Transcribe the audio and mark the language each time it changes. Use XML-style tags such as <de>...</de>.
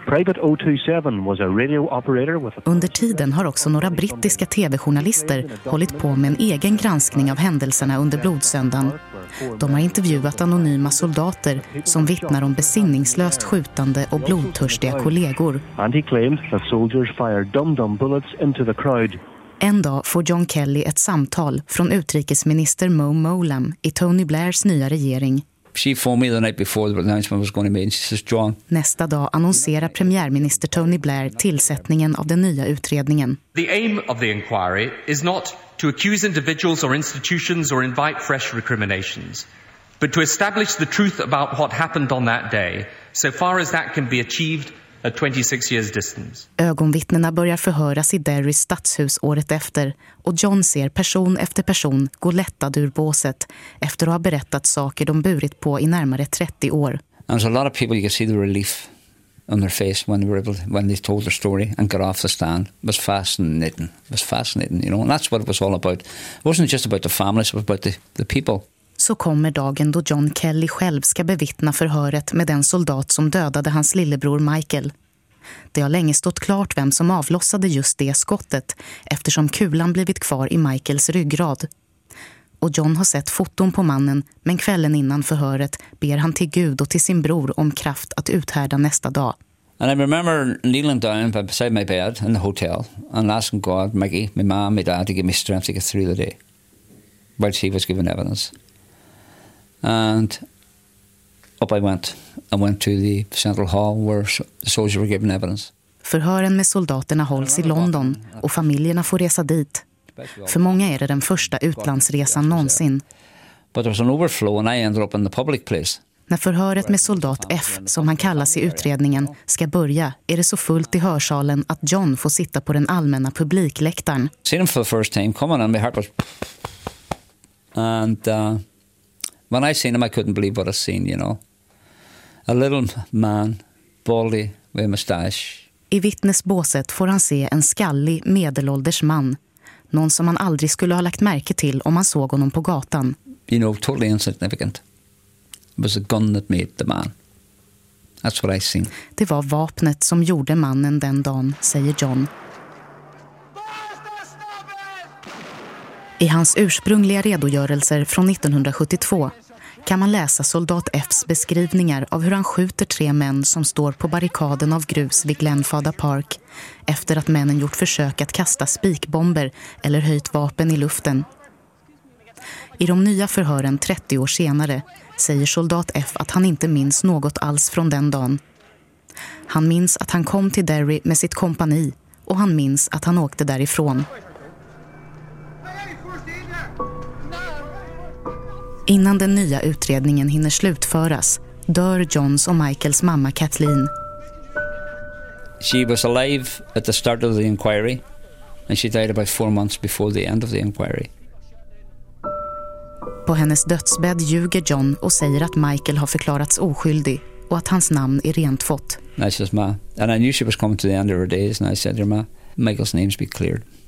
<en>Private 027 was a radio operator with a...</en> <sv>Under tiden har också några brittiska tv-journalister hållit på med en egen granskning av händelserna under blodsöndagen. De har intervjuat anonyma soldater som vittnar om besinningslöst skjutande och blodtörstiga kollegor.</sv> <en>And he claimed that soldiers fired dum-dum bullets into the crowd.</en> <sv>En dag får John Kelly ett samtal från utrikesminister Mo Molam i Tony Blairs nya regering.</sv> <en>She phoned me the night before the announcement was going to be, and she says, John.</en> <sv>Nästa dag annonserar premiärminister Tony Blair tillsättningen av den nya utredningen.</sv> <en>The aim of the inquiry is not to accuse individuals or institutions or invite fresh recriminations, but to establish the truth about what happened on that day, so far as that can be achieved at 26 years distance.</en> <sv>Ögonvittnena börjar förhöras i Derrys stadshus året efter, och John ser person efter person gå lättad ur båset efter att ha berättat saker de burit på i närmare 30 år.</sv> <en>And there's a lot of people, you can see the relief on their face when they were able to, when they told their story and got off the stand. It was fascinating. It was fascinating, you know, and that's what it was all about. It wasn't just about the families, it was about the people.</en> <sv>Så kommer dagen då John Kelly själv ska bevittna förhöret med den soldat som dödade hans lillebror Michael. Det har länge stått klart vem som avlossade just det skottet eftersom kulan blivit kvar i Michaels ryggrad. Och John har sett foton på mannen, men kvällen innan förhöret ber han till Gud och till sin bror om kraft att uthärda nästa dag.</sv> <en>And I remember kneeling down beside my bed in the hotel and asking God, Maggie, my mom, my dad to give me strength to get through the day while she was giving evidence. And up I went. I went to the central hall where the soldiers were giving evidence.</en> <sv>Förhören med soldaterna hålls i London och familjerna får resa dit. För många är det den första utlandsresan någonsin.</sv> <en>But there was an overflow and I ended up in the public place.</en> <sv>När förhöret med soldat F, som han kallas i utredningen, ska börja är det så fullt i hörsalen att John får sitta på den allmänna publikläktaren.</sv> <en>See him for the first time. Come on in, my heart was... And... When I seen him, I couldn't believe what I seen, you know. A little man, baldy, with a mustache.</en> <sv>I vittnesbåset får han se en skallig, medelålders man. Någon som man aldrig skulle ha lagt märke till om man såg honom på gatan.</sv> <en>You know, totally insignificant. It was a gun that made the man. That's what I seen.</en> <sv>Det var vapnet som gjorde mannen den dagen, säger John. I hans ursprungliga redogörelser från 1972 kan man läsa soldat F:s beskrivningar av hur han skjuter tre män som står på barrikaden av grus vid Glenfada Park efter att männen gjort försök att kasta spikbomber eller höjt vapen i luften. I de nya förhören 30 år senare säger soldat F att han inte minns något alls från den dagen. Han minns att han kom till Derry med sitt kompani och han minns att han åkte därifrån. Innan den nya utredningen hinner slutföras dör Johns och Michaels mamma Kathleen.</sv> <en>She was alive at the start of the inquiry and she died about 4 months before the end of the inquiry.</en> <sv>På hennes dödsbädd ljuger John och säger att Michael har förklarats oskyldig och att hans namn är rent fått.</sv> <en>And I said, Ma, and I knew she was coming to the end of her days and I said, Ma, Michael's name's be cleared.</en>